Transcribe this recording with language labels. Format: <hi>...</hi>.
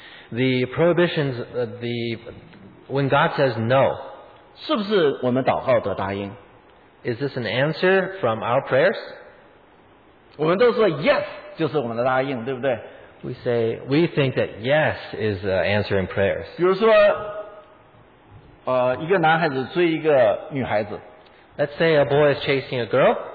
<en>The prohibitions, when God says no,</en> <zh>是不是我们祷告得答应？</zh> <en>Is this an answer from our prayers?</en> <zh>我们都说 yes, 就是我们的答应，对不对？</zh> <en>We think that yes is answering prayers.</en> <zh>比如说一个男孩子追一个女孩子。</zh> <en>Let's say a boy is chasing a girl.</en>